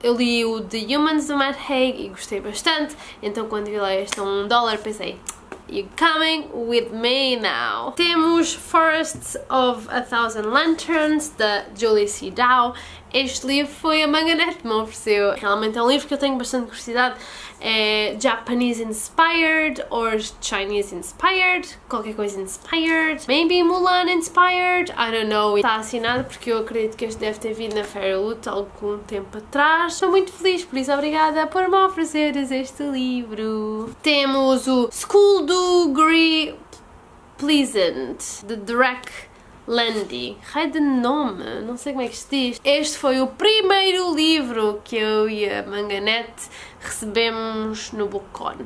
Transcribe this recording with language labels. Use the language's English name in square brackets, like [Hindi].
[Portuguese] Eu li o The Humans do Matt Haig e gostei bastante, então quando vi lá este a um dólar pensei, you coming with me now. Temos Forests of a Thousand Lanterns da Julie C. Dow. Este livro foi a Manganet que me ofereceu. Realmente é um livro que eu tenho bastante curiosidade. [English] É Japanese inspired or Chinese inspired, qualquer coisa inspired, maybe Mulan inspired, I don't know. [Portuguese] Está assinado porque eu acredito que este deve ter vindo na Fairyloot algum tempo atrás. Estou muito feliz, por isso obrigada por me ofereceres este livro. Temos o School do Gree Pleasant, de Drek Landy. Raio de nome, não sei como é que se diz. Este foi o primeiro livro que eu e a Manganet recebemos no BookCon.